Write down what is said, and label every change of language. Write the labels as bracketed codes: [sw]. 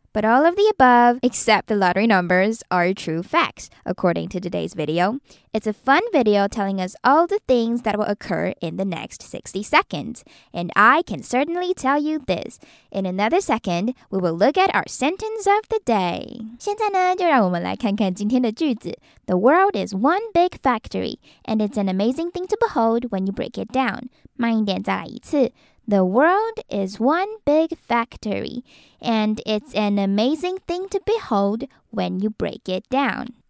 [en] But all of the above, except the lottery numbers, are true facts, according to today's video. It's a fun video telling us all the things that will occur in the next 60 seconds. And I can certainly tell you this. In another second, we will look at our sentence of the day. [zh] 现在呢, 就让我们来看看今天的句子. [en] The world is one big factory, and it's an amazing thing to behold when you break it down. [zh] 慢一点再来一次. [en] The world is one big factory, and it's an amazing thing to behold when you break it down.